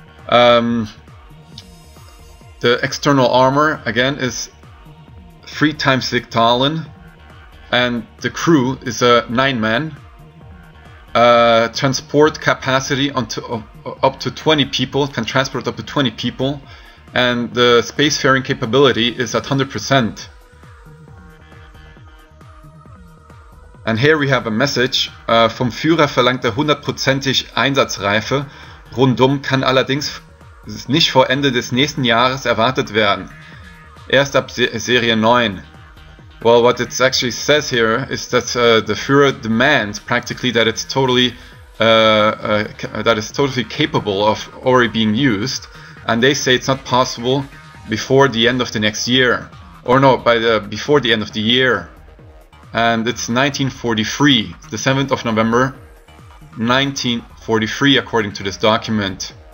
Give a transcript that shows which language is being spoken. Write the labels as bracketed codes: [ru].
[en] The external armor again is 3 times Sigtalen, and the crew is a 9 man. Transport capacity up to 20 people, can transport up to 20 people. And the spacefaring capability is at 100%. And here we have a message. [de] Vom Führer verlangt er 100%ig Einsatzreife. Rundum kann allerdings nicht vor Ende des nächsten Jahres erwartet werden. Erst ab Serie 9. [en] Well, what it actually says here is that the Führer demands practically that it's totally that it's totally capable of already being used. And they say it's not possible before the end of the next year. Or no, before the end of the year. And it's 1943, the 7th of November, 1943, according to this document.